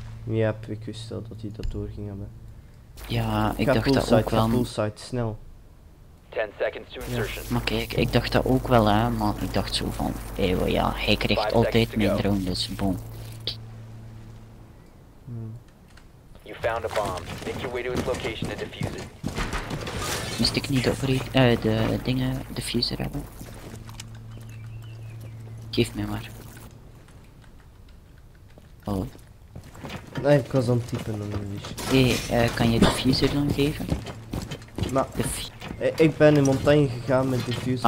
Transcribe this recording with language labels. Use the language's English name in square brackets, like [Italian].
[Dutch] Ja, yep, ik wist wel dat hij dat doorging hebben. Ja, ik dacht dat ook wel. Poolside, snel. [English] 10 seconds to insertion. [Dutch] Ja. Maar kijk, ik dacht dat ook wel, hè, maar ik dacht zo van, eeuw, ja, hij krijgt altijd mijn drone, dus boom. [English] You found a bomb. Make your way to its location and defuse it. [Dutch] Moest ik niet de dingen defuser hebben? Geef mij maar. Hallo? Nee, ik was aan het typen dan niet. Kan je defuser dan geven? Maar, ik ben in montagne gegaan met defuser.